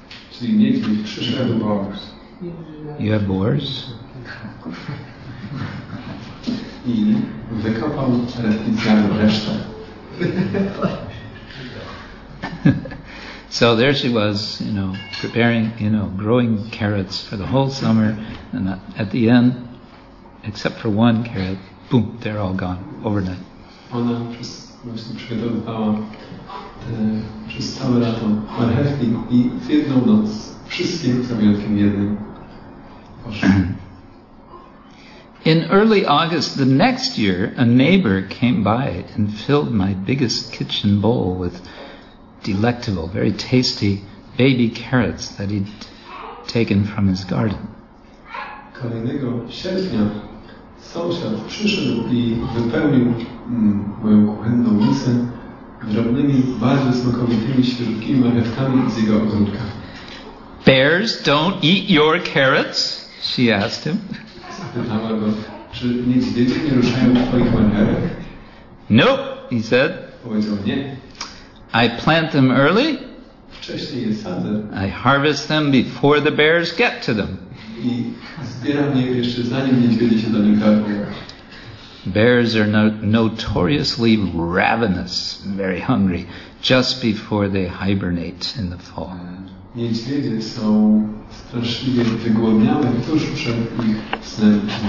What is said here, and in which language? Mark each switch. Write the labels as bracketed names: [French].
[English] So you need to have the boars. You have boars? [Polish] I wykopał specjalną resztę. [English] So there she was, you know, preparing, you know, growing carrots for the whole summer, and at the end, except for one carrot, boom, they're all gone overnight. [Polish] Ona właśnie przygotowywała przez całe lato marchewki i w jedną noc wszystkim z wyjątkiem jednym. [English] In early August the next year, a neighbor came by and filled my biggest kitchen bowl with delectable, very tasty baby carrots that he'd taken from his garden. [Polish] Kolejnego sierpnia sąsiad przyszedł i wypełnił moją kuchenną misę drobnymi, bardzo smakowitymi świeżutkimi marchewkami z jego ogródka. [English] Bears don't eat your carrots? She asked him. [Polish] Zapytała go, czy niedźwiedzie nie ruszają twoich marchewek? [English] Nope, he said. [Polish] Powiedział nie. [English] I plant them early. [Polish] Wcześniej je sadzę. [English] I harvest them before the bears get to them. [Polish] I zbieram je jeszcze zanim niedźwiedzie się do nich karmią. [English] Bears are notoriously ravenous, very hungry, just before they hibernate in the fall. [Polish] Niedźwiedzie są straszliwie wygłodniałe tuż przed ich snem.